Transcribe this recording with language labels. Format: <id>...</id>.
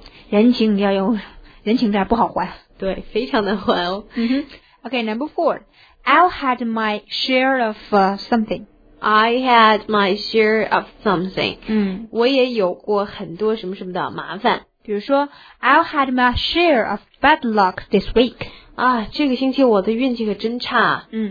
<zh>人情要用，人情这样不好还。对，非常难还哦。</zh> <en>Okay, number four. I'll had my share of something. I had my share of something. 嗯，</en> <zh>我也有过很多什么什么的麻烦。</zh> <en>比如说，I'll had my share of bad luck this week.</en> <zh>啊，这个星期我的运气可真差。</zh>